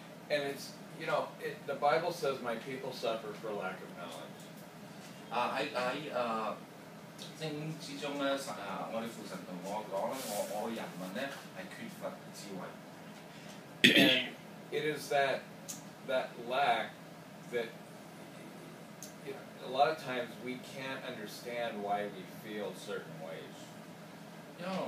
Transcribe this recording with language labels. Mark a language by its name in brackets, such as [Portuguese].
[English] And it's, you know, the Bible says my people suffer for lack of knowledge. [Cantonese] 喺聖經之中咧，我哋父神同我講咧，我人民咧係缺乏智慧。 [English] And it is that lack that, you know, a lot of times we can't understand why we feel certain ways.